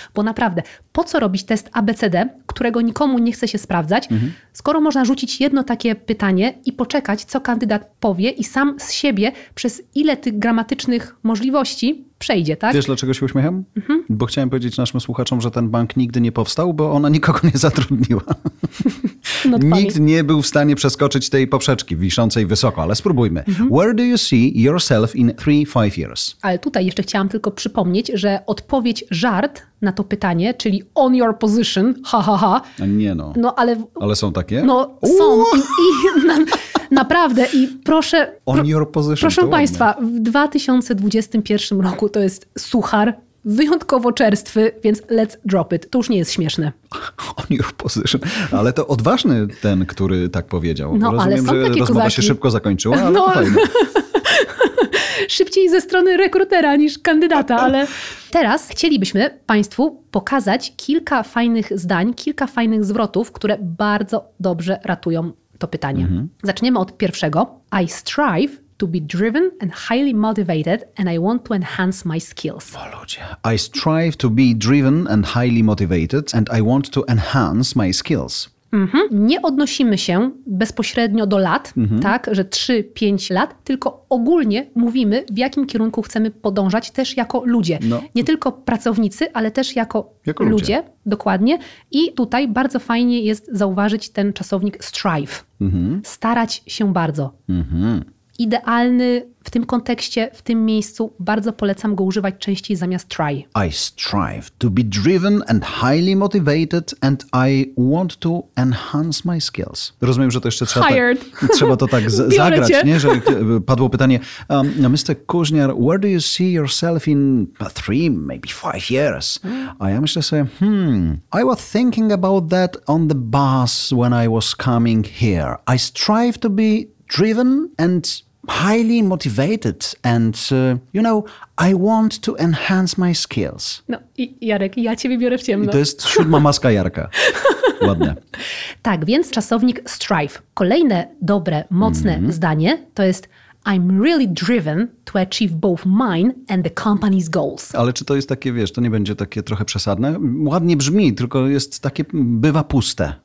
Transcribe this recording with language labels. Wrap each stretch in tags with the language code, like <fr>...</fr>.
<pl>Bo naprawdę, po co robić test ABCD, którego nikomu nie chce się sprawdzać, skoro można rzucić jedno takie pytanie i poczekać, co kandydat powie i sam z siebie przez ile tych gramatycznych możliwości przejdzie, tak? Wiesz, dlaczego się uśmiecham? Bo chciałem powiedzieć naszym słuchaczom, że ten bank nigdy nie powstał, bo ona nikogo nie zatrudniła. Nikt nie był w stanie przeskoczyć tej poprzeczki wiszącej wysoko, ale spróbujmy.</pl> <en>Where do you see yourself in 3-5 years?</en> <pl>Ale tutaj jeszcze chciałam tylko przypomnieć, że odpowiedź żart na to pytanie, czyli</pl> <en>on your position,</en> <pl>ha, ha, ha. A nie no. No ale... Ale są takie? No są. Naprawdę i proszę...</pl> <en>On your position,</en> <pl>proszę Państwa, w 2021 roku to jest suchar wyjątkowo czerstwy, więc</pl> <en>let's drop it.</en> <pl>To już nie jest śmieszne.</pl> <en>On your position.</en> <pl>Ale to odważny ten, który tak powiedział. No, rozumiem, ale że rozmowa kozaki się szybko zakończyła, ale no, fajnie. Szybciej ze strony rekrutera niż kandydata, ale teraz chcielibyśmy Państwu pokazać kilka fajnych zdań, kilka fajnych zwrotów, które bardzo dobrze ratują to pytanie. Zaczniemy od pierwszego.</pl> <en>I strive to be driven and highly motivated and I want to enhance my skills.</en> <pl>O ludzie.</pl> <en>I strive to be driven and highly motivated and I want to enhance my skills. Mm-hmm.</en> <pl>Nie odnosimy się bezpośrednio do lat, tak, że 3-5 lat, tylko ogólnie mówimy, w jakim kierunku chcemy podążać też jako ludzie. No. Nie tylko pracownicy, ale też jako ludzie. Ludzie, dokładnie. I tutaj bardzo fajnie jest zauważyć ten czasownik strive. Starać się bardzo. Idealny w tym kontekście, w tym miejscu, bardzo polecam go używać częściej zamiast try.</pl> <en>I strive to be driven and highly motivated and I want to enhance my skills.</en> <pl>Rozumiem, że to jeszcze trzeba, trzeba to tak zagrać, nie? Że padło pytanie.</pl> <en>Mr. Kuźniar, where do you see yourself in 3, maybe 5 years?</en> <pl>A ja myślę sobie,</pl> <en>I was thinking about that on the bus when I was coming here. I strive to be driven and highly motivated and, you know, I want to enhance my skills.</en> <pl>No i Jarek, ja ciebie biorę w ciemno. I to jest siódma maska Jarka. Ładne. Tak, więc czasownik strive. Kolejne dobre, mocne zdanie to jest</pl> <en>I'm really driven to achieve both mine and the company's goals.</en> <pl>Ale czy to jest takie, wiesz, to nie będzie takie trochę przesadne? Ładnie brzmi, tylko jest takie, bywa puste.</pl>